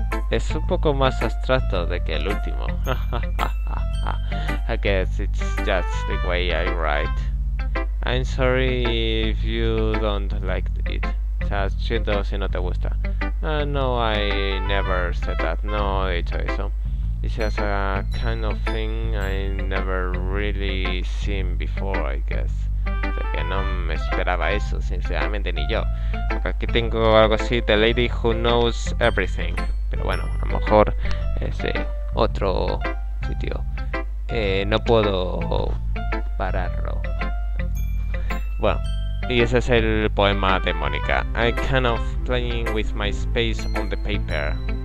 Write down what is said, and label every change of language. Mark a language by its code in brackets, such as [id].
[es] Es un poco más abstracto de que el último. [en] I guess it's just the way I write. I'm sorry if you don't like it. [es] O sea, siento si no te gusta. [en] No, I never said that. [es] No he dicho eso. [en] It's just a kind of thing I never really seen before, I guess. [es] O sea, que no me esperaba eso, sinceramente, ni yo. Aquí tengo algo así, The Lady Who Knows Everything. Pero bueno, a lo mejor es otro sitio. No puedo pararlo. Bueno, y ese es el poema de Mónica. [en] I'm kind of playing with my space on the paper.